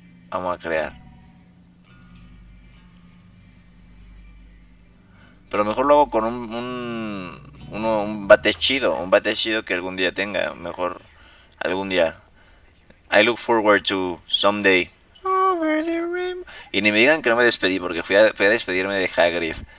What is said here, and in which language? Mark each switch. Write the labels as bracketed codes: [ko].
[es] Vamos a crear. Pero mejor lo hago con un bate chido. Un bate chido que algún día tenga. Mejor algún día. [en] I look forward to someday. Over the rim. [es] Y ni me digan que no me despedí. Porque fui a despedirme de Hagrid.